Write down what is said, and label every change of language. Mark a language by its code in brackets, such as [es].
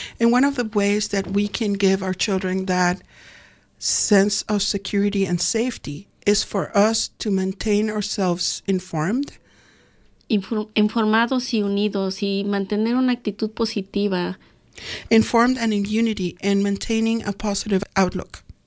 [en] And one of the ways that we can give our children that sense of security and safety is for us to maintain ourselves informed. [es] Informados y unidos y mantener una actitud positiva. [en] Informed and in unity and maintaining a positive outlook.